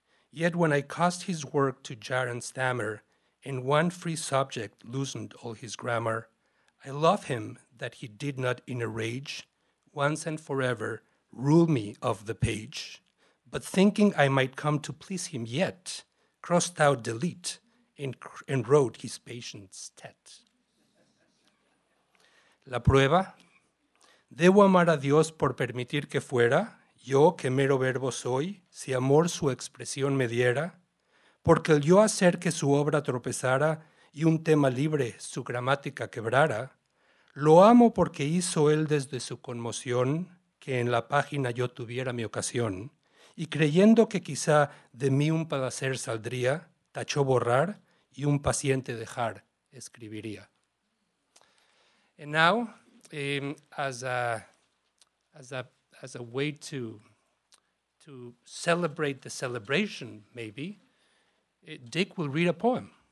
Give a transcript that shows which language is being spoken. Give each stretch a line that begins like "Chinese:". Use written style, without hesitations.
English: Yet when I caused his work to jar and stammer, and one free subject loosened all his grammar, I love him that he did not in a rage, once and forever, rule me of the page. But thinking I might come to please him yet, crossed out delete and wrote his patience tet.
Spanish: La prueba. Debo amar a Dios por permitir que fuera, yo que mero verbo soy, si amor su expresión me diera, porque el yo hacer que su obra tropezara y un tema libre su gramática quebrara, lo amo porque hizo él desde su conmoción que en la página yo tuviera mi ocasión, y creyendo que quizá de mí un padecer saldría, tachó borrar y un paciente dejar escribiría.
English: And now, as a way to celebrate the celebration, maybe, Dick will read a poem.